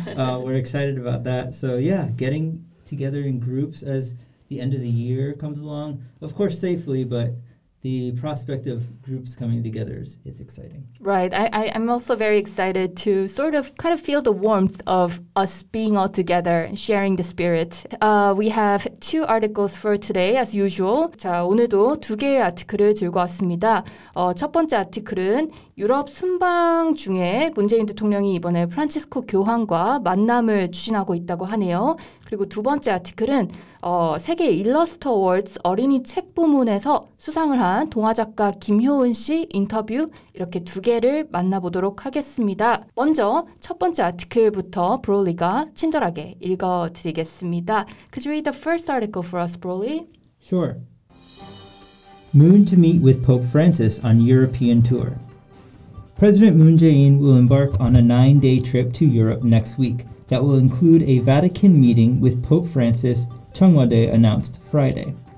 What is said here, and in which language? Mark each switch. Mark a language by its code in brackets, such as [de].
[en] we're excited about that. So, yeah, getting together in groups as the end of the year comes along, of course, safely, but the prospect of groups coming together is exciting. Right. I'm also very excited to sort of kind of feel the warmth of us being all together and sharing the spirit. We have two articles for today, as usual. [ko] 자, 오늘도 두 개의 아티클을 들고 왔습니다. 첫 번째 아티클은 유럽 순방 중에 문재인 대통령이 이번에 프란치스코 교황과 만남을 추진하고 있다고 하네요. 그리고 두 번째 아티클은 세계 일러스트 어워드 어린이 책 부문에서 수상을 한 동화 작가 김효은 씨 인터뷰 이렇게 두 개를 만나보도록 하겠습니다. 먼저 첫 번째 아티클부터 브롤리가 친절하게 읽어드리겠습니다. [en] Could you read the first article for us, Broly? Sure. Moon to meet with Pope Francis on European tour. President Moon Jae-in will embark on a 9-day trip to Europe next week that will include a Vatican meeting with Pope Francis, Cheongwadae announced Friday.